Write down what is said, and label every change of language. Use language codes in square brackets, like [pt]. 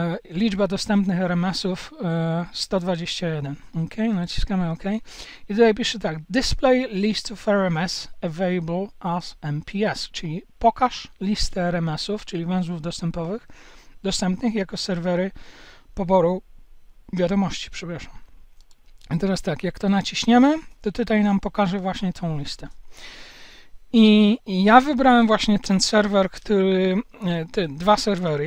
[pl] Liczba dostępnych RMS-ów 121. OK, naciskamy OK. I tutaj pisze tak. [en] Display list of RMS available as MPS. [pl] Czyli pokaż listę RMS-ów, czyli węzłów dostępowych, dostępnych jako serwery poboru wiadomości. Przepraszam. I teraz tak, jak to naciśniemy, to tutaj nam pokaże właśnie tą listę. I ja wybrałem właśnie ten serwer, te dwa serwery.